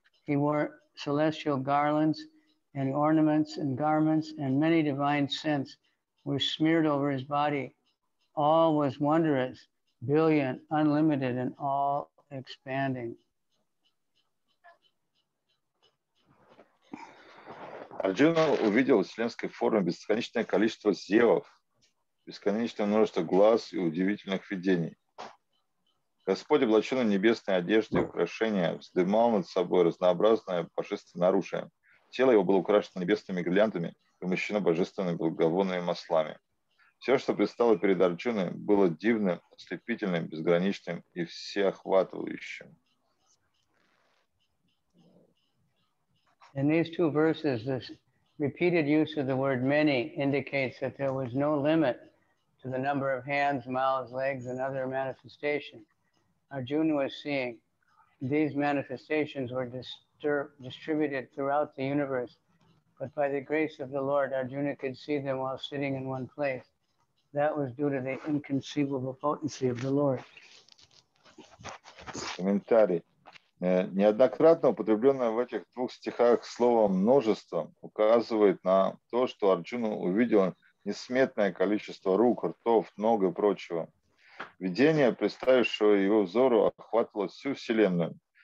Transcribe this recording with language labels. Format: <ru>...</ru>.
<en>He wore celestial garlands and ornaments and garments, and many divine scents were smeared over his body. All was wondrous, brilliant, unlimited, and all expanding.</en> <ru>Арджуна увидел в вселенской форме бесконечное количество зевов, бесконечное множество глаз и удивительных видений. Господь, облаченный в небесные одежды и украшения, вздымал над собой разнообразное божественное оружие. Тело его было украшено небесными бриллиантами и умощено божественными благовонными маслами. Все, что предстало перед Арджуной, было дивным, ослепительным, безграничным и всеохватывающим.</ru> <en>In these two verses, this repeated use of the word many indicates that there was no limit to the number of hands, mouths, legs, and other manifestations. Arjuna was seeing these manifestations were distributed throughout the universe, but by the grace of the Lord, Arjuna could see them while sitting in one place. That was due to the inconceivable potency of the Lord.</en> <ru>Комментарий. Неоднократно употребленное в этих двух стихах слово «множество» указывает на то, что Арджуна увидел несметное количество рук, ртов, ног и прочего. Видение, представившего его взору, охватывало всю Вселенную.</ru>